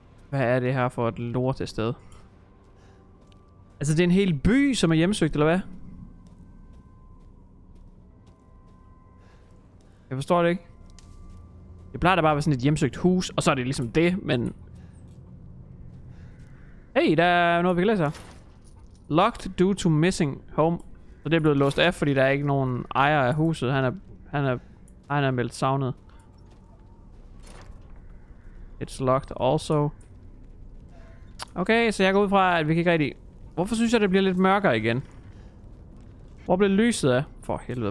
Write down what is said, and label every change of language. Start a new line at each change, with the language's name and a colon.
Danish: Hvad er det her for et lortested? Altså, det er en hel by, som er hjemsøgt, eller hvad? Jeg forstår det ikke. Det plejer da bare at være sådan et hjemsøgt hus, og så er det ligesom det, men... Hey, der er noget, vi kan læse her.
English: Locked due to missing home.
Danish: Så det er blevet låst af, fordi der er ikke nogen ejer af huset. Han er meldt savnet.
English: It's locked also.
Danish: Okay, så jeg går ud fra, at vi kan ikke rigtig... Hvorfor synes jeg, det bliver lidt mørkere igen? Hvor blev lyset af? For helvede.